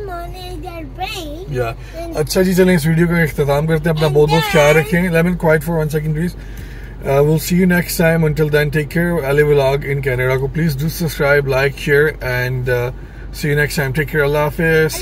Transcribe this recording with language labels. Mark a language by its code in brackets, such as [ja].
[en] money and get brain. Yeah. [hi] अच्छा जी चलें इस वीडियो का इख्तिताम करते हैं. अपना बहुत बहुत ख्याल रखें. [en] Lemon, quiet for one second, please. We'll see you next time. Until then, take care. LA Vlog in Canada. को please do subscribe, like, share, and see you next time. Take care. Allah Hafiz.